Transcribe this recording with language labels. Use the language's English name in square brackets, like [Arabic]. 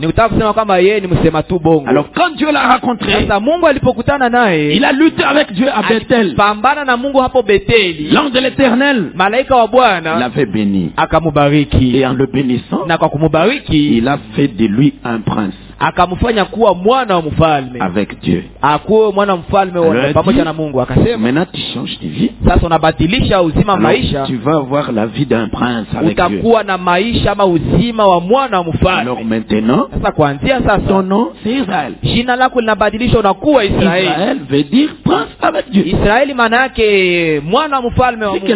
[Swahili] Ni utaka kusema kwamba yeye ni msema tu bongo. [French] Alors quand Dieu l'a rencontré, [Swahili] sasa Mungu alipokutana naye, [French] il a lutté avec Dieu à Bethel. [Swahili] Pambana na Mungu hapo Bethel. [French] L'ange de l'Éternel, [Swahili] malaika wa Bwana, [French] l'avait béni. [Swahili] Akamubariki. [French] Et en le bénissant, [Swahili] na kwa kumubariki, [French] il a fait de lui un prince. [Swahili] Akamfanya kuwa mwana wa mfalme. [French] Avec Dieu. [Swahili] Akuwa mwana mfalme pamoja na Mungu akasema. [French] Maintenant tu changes de vie. [Swahili] Sasa unabadilisha uzima [French] alors, [Swahili] maisha. [French] Tu vas avoir la vie d'un prince avec [Swahili] utakuwa [French] Dieu. [Swahili] Utakuwa na maisha ama uzima wa mwana wa mfalme. [French] Alors maintenant. [Swahili] Sasa kuanzia sasa. [French] Ton nom c'est Israël. [Swahili] Jina lako linabadilishwa unakuwa Israel. [French] Israël veut dire prince avec Dieu. [Swahili] Israel maana yake mwana wa mfalme wa Mungu.